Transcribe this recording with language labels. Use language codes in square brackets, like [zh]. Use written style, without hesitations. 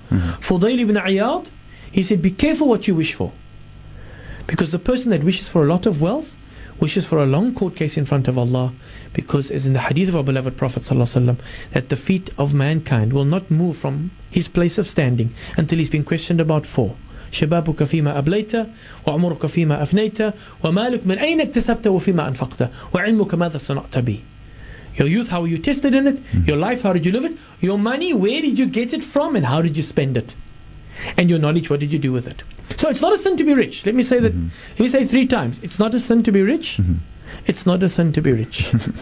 [en] Fudayl ibn Iyad, he said, be careful what you wish for. Because the person that wishes for a lot of wealth wishes for a long court case in front of Allah, because as in the hadith of our beloved Prophet ﷺ, that the feet of mankind will not move from his place of standing until he's been questioned about four. [ar] شبابك فيما أبليت وعمرك فيما أفنيت ومالك من أين اكتسبت وفيما أنفقت وعلمك ماذا صنعت به. [en] Your youth, how were you tested in it? Your life, how did you live it? Your money, where did you get it from and how did you spend it? And your knowledge, what did you do with it? So it's not a sin to be rich. Let me say that. Let me say three times. It's not a sin to be rich. It's not a sin to be rich.